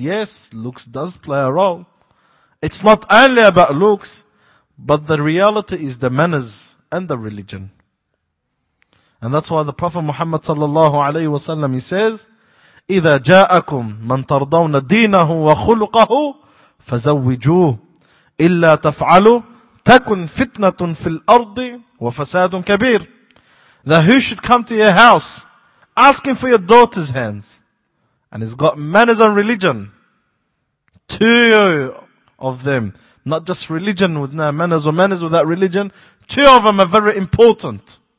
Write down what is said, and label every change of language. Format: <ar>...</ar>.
<en>Yes, looks does play a role. It's not only about looks, but the reality is the manners and the religion. And that's why the Prophet Muhammad sallallahu alayhi wa sallam, he says,</en> <ar>إِذَا جَاءَكُمْ مَنْ تَرْضَوْنَ دِينَهُ وَخُلُقَهُ فَزَوِّجُوهُ. إلا تفعلوا تكن فتنة في الأرض وفساد كبير.</ar> <en>That who should come to your house asking for your daughter's hands and he's got manners and religion. Two of them, not just religion with no manners or manners without religion, two of them are very important.</en>